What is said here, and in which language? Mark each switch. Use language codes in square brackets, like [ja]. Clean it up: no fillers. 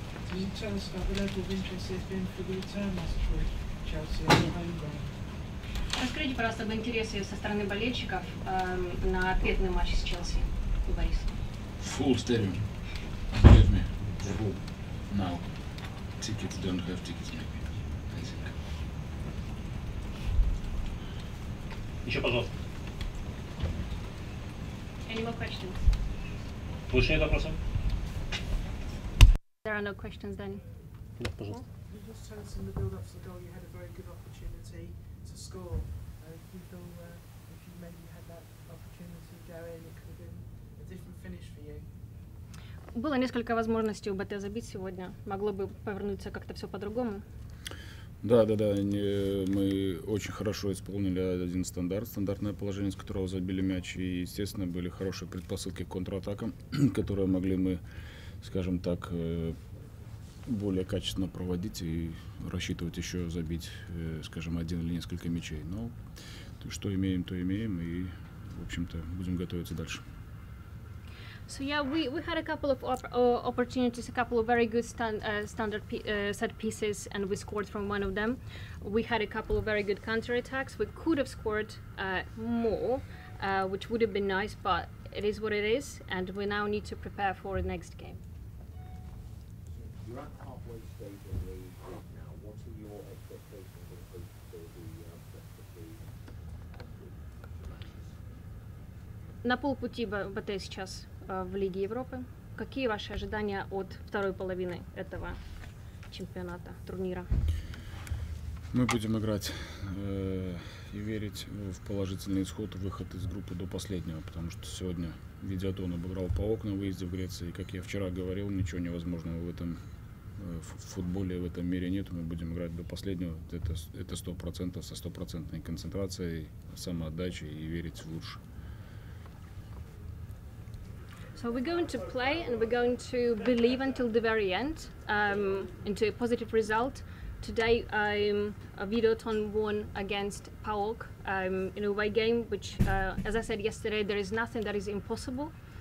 [en] Can you tell us about the level of interest there's been for the return match for Chelsea at home ground? [ru] Расскажите, пожалуйста, об интересе со стороны болельщиков на ответный матч с Челси и Борис. [en] Full stadium. Believe me. Full. Now. Tickets don't have tickets, maybe. I think. [ru] Еще, пожалуйста. [en] Any more questions? There are no questions then. Can you just tell us in the build-up to the goal you had a very good opportunity to score? If you maybe had that opportunity going, it could have been a different finish for you. [ru] Было несколько возможностей у БТ забить сегодня. Могло бы повернуться как-то все по-другому. Да. Мы очень хорошо исполнили один стандартное положение, с которого забили мяч. И, естественно, были хорошие предпосылки к контратакам, которые могли мы, скажем так, более качественно проводить и рассчитывать еще забить, скажем, один или несколько мячей. Но то, что имеем, то имеем. И, в общем-то, будем готовиться дальше. [en] So yeah, we had a couple of opportunities, a couple of very good set pieces, and we scored from one of them. We had a couple of very good counter attacks. We could have scored more, which would have been nice, but it is what it is, and we now need to prepare for the next game. You're at halfway stage of the league now. What are your expectations and hopes for the matches? [ru] На полпути БТ сейчас в Лиге Европы. Какие ваши ожидания от второй половины этого чемпионата, турнира? Мы будем играть и верить в положительный исход, выход из группы до последнего, потому что сегодня Видеотон обыграл ПАОК на выезде в Греции. Как я вчера говорил, ничего невозможного в этом футболе, в этом мире нет. Мы будем играть до последнего. Это 100%, со 100% концентрацией, самоотдачей и верить в лучшее. [en] So we're going to play and we're going to believe until the very end into a positive result. Today, Videoton won against PAOK in a away game, which, as I said yesterday, there is nothing that is impossible.